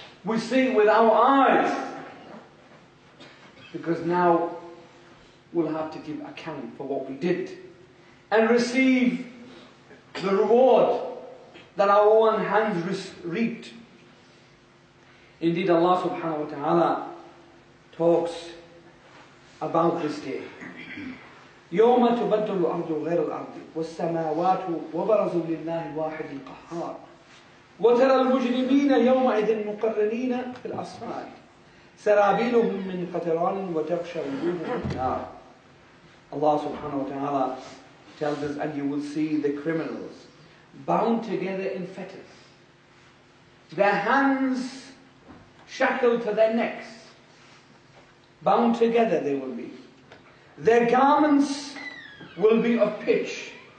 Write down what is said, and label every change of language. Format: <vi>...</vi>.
<en>We see with our eyes. Because now we'll have to give account for what we did and receive the reward that our own hands reaped. Indeed, Allah subhanahu wa ta'ala talks about this day.</en> <ar>يوم تبدل الأرض غير الأرض والسماوات وبرزوا لله واحد القهار وترى المجرمين يومئذ مقرنين في الأصفاد سرابيلهم من قطران وتغشى وجوههم النار.</ar> <en>Allah subhanahu wa ta'ala tells us, and you will see the criminals bound together in fetters, their hands shackled to their necks. Bound together they will be. Their garments will be of pitch.</en>